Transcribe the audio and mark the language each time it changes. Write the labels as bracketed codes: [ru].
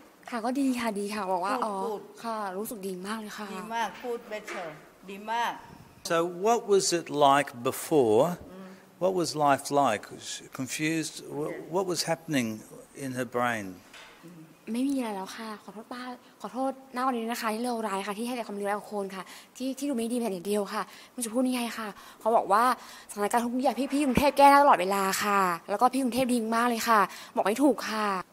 [th] ค่ะก็ดีค่ะบอกว่าอ๋อค่ะรู้สึกดีมากเลยค่ะ ดีมากพูด better ดีมาก [en] So what was it like beforeWhat was life like? Was she confused? What was happening in her brain? [th] ไม่มีอะไรแล้วค่ะขอโทษป้าขอโทษหน้าวันนี้นะคะที่เลวร้ายค่ะที่ให้แต่ความเลวร้ายกับคนค่ะที่ดูไม่ดีแต่อย่างเดียวค่ะไม่จะพูดนี่ไงค่ะเขาบอกว่าสถานการณ์ทุกอย่างพี่กรุงเทพแก้ได้ตลอดเวลาค่ะแล้วก็พี่กรุงเทพดีมากเลยค่ะบอกไม่ถูกค่ะ